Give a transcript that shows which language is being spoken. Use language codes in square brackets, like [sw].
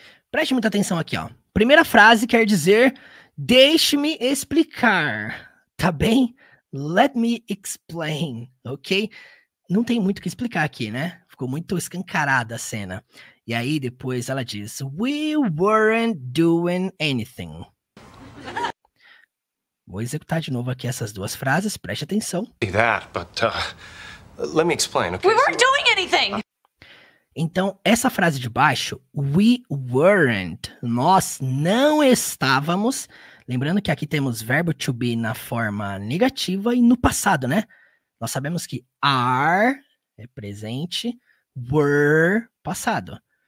[pt] Preste muita atenção aqui, ó. Primeira frase quer dizer, deixe-me explicar, tá bem? [en] Let me explain, ok? [pt] Não tem muito o que explicar aqui, né? Ficou muito escancarada a cena. E aí depois ela diz, [en] we weren't doing anything. [pt] Vou executar de novo aqui essas duas frases, preste atenção. [en] That, but, let me explain, okay? We weren't doing anything! [pt] Então, essa frase de baixo, [en] we weren't, [pt] nós não estávamos, lembrando que aqui temos verbo to be na forma negativa e no passado, né? Nós sabemos que are é presente, were, passado.